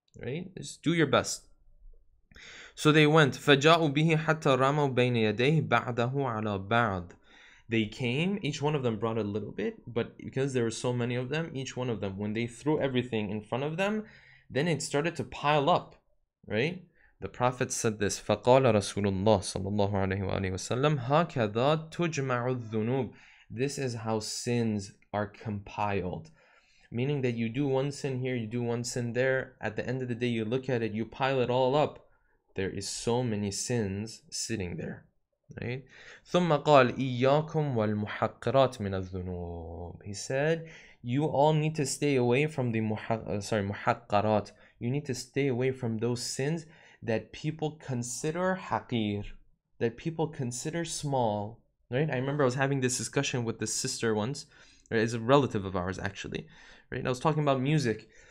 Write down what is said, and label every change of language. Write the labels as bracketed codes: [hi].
[en] Right, just do your best. So they went. [ar] فَجَاءُوا بِهِ حَتَّى رَمَوْا بَيْنَ يَدَيْهِ بَعْدَهُ عَلَى بَعْضٍ. [en] They came, each one of them brought a little bit, but because there were so many of them, each one of them, when they threw everything in front of them, then it started to pile up, right? The Prophet said this, [ar] فَقَالَ رَسُولُ اللَّهِ صَلَى اللَّهُ عَلَيْهِ وَآلِهِ وَسَلَّمَ هَكَذَا تُجْمَعُ الذُّنُوبُ. [en] This is how sins are compiled. Meaning that you do one sin here, you do one sin there. At the end of the day, you look at it, you pile it all up. There is so many sins sitting there. [ar] Right, ثم قال إياكم والمحقرات من الذنوب. [en] He said, you all need to stay away from the محقرات. You need to stay away from those sins that people consider حقير, that people consider small. Right, I remember I was having this discussion with this sister once, right? It's a relative of ours actually. Right, I was talking about music.